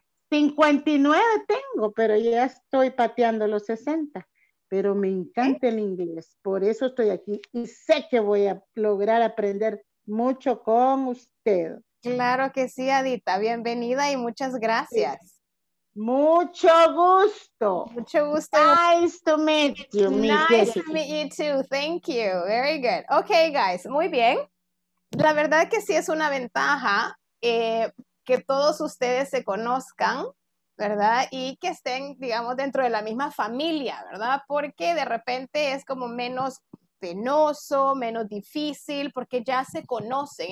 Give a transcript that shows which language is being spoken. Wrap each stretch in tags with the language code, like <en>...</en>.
<es>59 tengo, pero ya estoy pateando los 60. Pero me encanta el inglés, por eso estoy aquí y sé que voy a lograr aprender mucho con usted. Claro que sí, Adita, bienvenida y muchas gracias. Mucho gusto. Mucho gusto.</es> <en>Nice to meet you. Nice to meet you too, thank you, very good. Okay, guys,</en> <es>muy bien. La verdad que sí es una ventaja que todos ustedes se conozcan, ¿verdad? Y que estén, digamos, dentro de la misma familia, ¿verdad? Porque de repente es como menos penoso, menos difícil, porque ya se conocen.</es>